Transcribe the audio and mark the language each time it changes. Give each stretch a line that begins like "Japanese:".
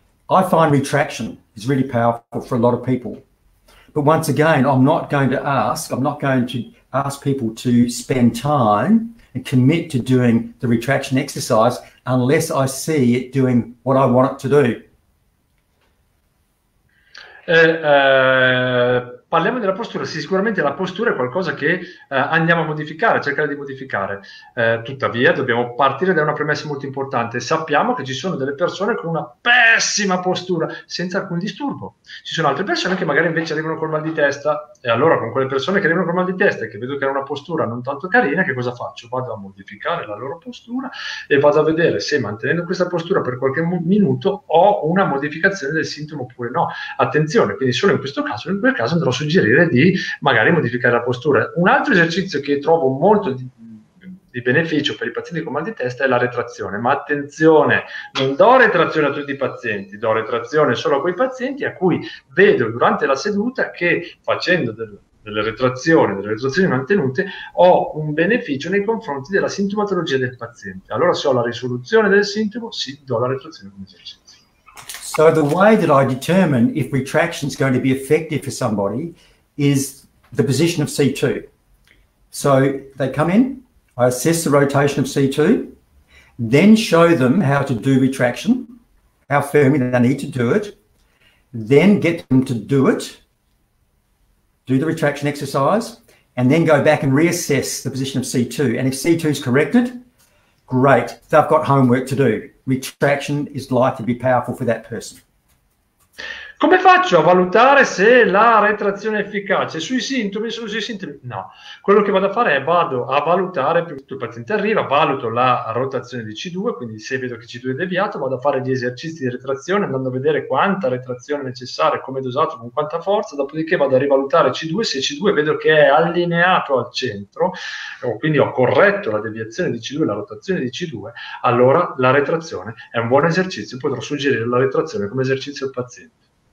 English: I find retraction is really powerful for a lot of people. But once again, I'm not going to ask people to spend time and commit to doing the retraction exercise unless I see it doing what I want it to do.
Italian: Parliamo della postura. Sì, sicuramente la postura è qualcosa che andiamo a modificare, a cercare di modificare. Tuttavia, dobbiamo partire da una premessa molto importante. Sappiamo che ci sono delle persone con una pessima postura, senza alcun disturbo. Ci sono altre persone che magari invece arrivano col mal di testa, E allora con quelle persone che avevano mal di testa e che vedo che hanno una postura non tanto carina, che cosa faccio? Vado a modificare la loro postura e vado a vedere se mantenendo questa postura per qualche minuto ho una modificazione del sintomo oppure no. Attenzione, quindi solo in questo caso, in quel caso andrò a suggerire di magari modificare la postura. Un altro esercizio che trovo molto di beneficio per i pazienti con mal di testa è la retrazione, ma attenzione, non do retrazione a tutti i pazienti, do retrazione solo a quei pazienti a cui vedo durante la seduta che facendo delle retrazioni mantenute ho un beneficio nei confronti della sintomatologia del paziente. Allora se ho la risoluzione del sintomo, sì, do la retrazione come esercizio.
English: So the way that I determine if retraction is going to be effective for somebody is the position of C2. So they come in, I assess the rotation of C2, then show them how to do retraction, how firmly they need to do it, then get them to do it, do the retraction exercise, and then go back and reassess the position of C2. And if C2 is corrected, great, they've got homework to do. Retraction is likely to be powerful for that person.
Italian: Come faccio a valutare se la retrazione è efficace? Sui sintomi? Sono sui sintomi? No. Quello che vado a fare è vado a valutare, prima che il paziente arriva, valuto la rotazione di C2, quindi se vedo che C2 è deviato, vado a fare gli esercizi di retrazione, andando a vedere quanta retrazione è necessaria, come dosato, con quanta forza, dopodiché vado a rivalutare C2, se C2 vedo che è allineato al centro, quindi ho corretto la deviazione di C2, la rotazione di C2, allora la retrazione è un buon esercizio, potrò suggerire la retrazione come esercizio al paziente.